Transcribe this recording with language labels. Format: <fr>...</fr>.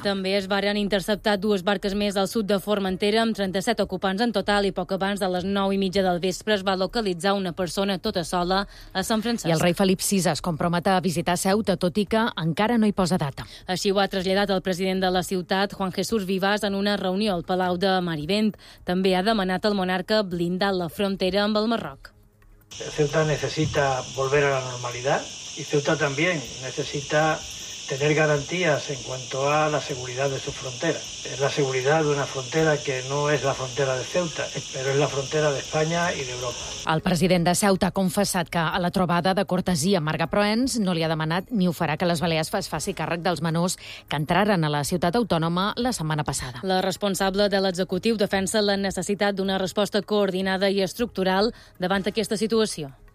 <ca>També es varen interceptar dues barques més al sud de Formentera amb 37 ocupants en total, i poc abans de les 9:30 del vespre es va localitzar una persona tota sola a Sant Francesc. I el rei Felip VI es compromet a visitar Ceuta, tot i que encara no hi posa data. Així ho ha traslladat el president de la ciutat, Juan Jesús Vivas, en una reunió al Palau de Marivent. També ha demanat al monarca blindar la frontera amb el Marroc.</ca> <es>Ceuta necesita volver a la normalidad y Ceuta también necesita tener garantías en cuanto a la seguridad de su frontera. Es la seguridad de una frontera que no es la frontera de Ceuta, pero es la frontera de España y de Europa.</es> <ca>El president de Ceuta ha confessat que a la trobada de cortesia Marga Proens no li ha demanat ni ho farà que les Balears es faci càrrec dels menors que entraren a la ciutat autònoma la setmana passada. La responsable de l'executiu defensa la necessitat d'una resposta coordinada i estructural davant aquesta situació.</ca>